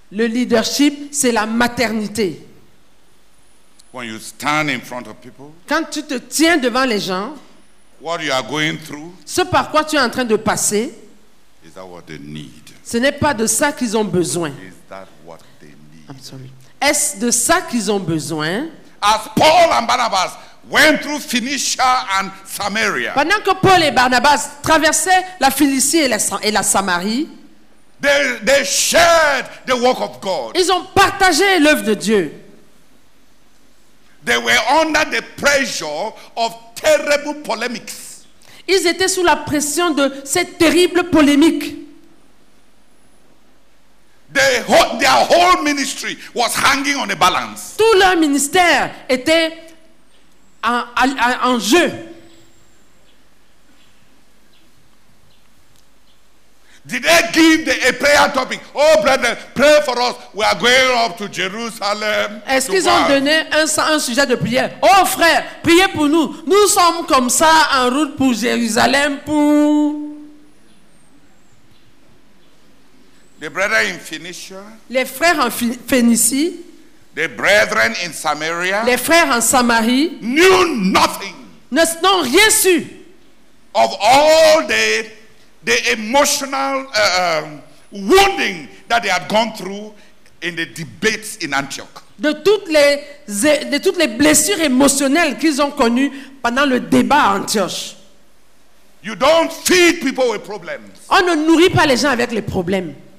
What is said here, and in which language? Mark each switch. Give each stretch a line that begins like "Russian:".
French: Le leadership, c'est la maternité.
English: When you stand in front of people,
French: quand tu te tiens devant les gens,
English: what you are going through,
French: ce par quoi tu es en train de passer,
English: is that what they need?
French: Ce n'est pas de ça qu'ils ont besoin.
English: Is that what they need? I'm sorry.
French: Est-ce de ça qu'ils ont besoin?
English: As Paul and Barnabas went through Phoenicia and Samaria,
French: pendant que Paul et Barnabas traversaient la Phénicie et la Samarie,
English: they shared the work of God.
French: Ils ont partagé l'œuvre de Dieu.
English: They were under the pressure of terrible polemics.
French: Ils étaient sous la pression de cette terrible polémique.
English: Their whole ministry was hanging on a balance.
French: Tout leur ministère était en jeu.
English: Did they give a prayer topic? Oh, brother, pray for us. We are going up to Jerusalem.
French: Est-ce qu'ils ont donné un sujet de prière? Oh, frère, priez pour nous. Nous sommes comme ça en route pour Jérusalem pour.
English: The brother in Phoenicia.
French: Les frères en Phénicie.
English: The brethren in Samaria.
French: Les frères en Samarie.
English: Knew nothing.
French: N'ont rien su.
English: Of all the emotional wounding that they had gone through in the debates in Antioch.
French: De toutes les blessures émotionnelles qu'ils ont connues pendant le débat à Antioche.
English: You don't feed people with problems.
French: On ne nourrit pas les gens avec les problèmes.